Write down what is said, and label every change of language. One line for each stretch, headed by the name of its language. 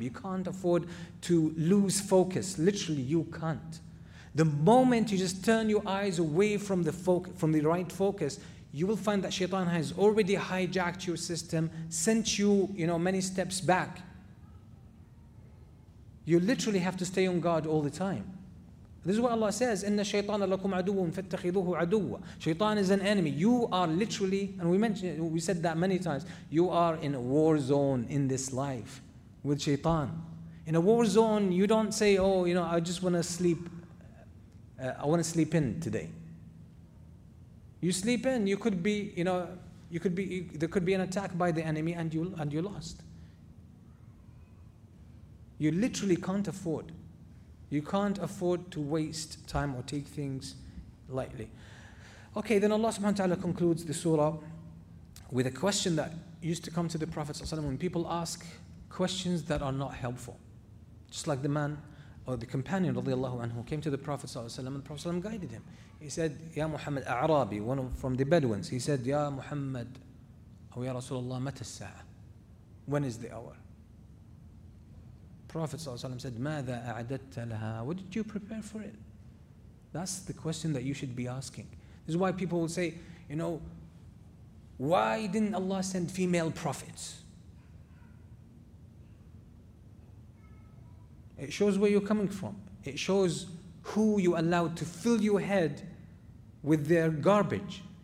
English: You can't afford to lose focus. Literally, you can't. The moment you just turn your eyes away from the right focus, you will find that shaitan has already hijacked your system, sent you, you know, many steps back. You literally have to stay on guard all the time. This is what Allah says,
Arabic: إِنَّ الشَّيْطَانَ لَكُمْ عَدُوٌ فَاتَّخِذُوهُ عَدُوًّا.
English: Shaitan is an enemy. You are literally, and we said that many times, you are in a war zone in this life with shaitan. In a war zone, you don't say, oh, you know, I just want to sleep. I want to sleep in today. You sleep in, you could be, you know, there could be an attack by the enemy and you lost. You literally can't afford. You can't afford to waste time or take things lightly. Okay, then Allah subhanahu wa ta'ala concludes the surah with a question that used to come to the Prophet ﷺ when people ask questions that are not helpful. Just like the man or the companion radiallahu anhu came to the Prophet ﷺ and the Prophet ﷺ guided him. He said, Ya Muhammad, A'rabi, one from the Bedouins. He said, Ya Muhammad,
Arabic: أو يا رسول الله, متى الساعة?
English: When is the hour? Prophet ﷺ said,
Arabic: مَاذَا أَعَدَدْتَ لَهَا?
English: What did you prepare for it? That's the question that you should be asking. This is why people will say, you know, why didn't Allah send female prophets? It shows where you're coming from. It shows who you allowed to fill your head with their garbage.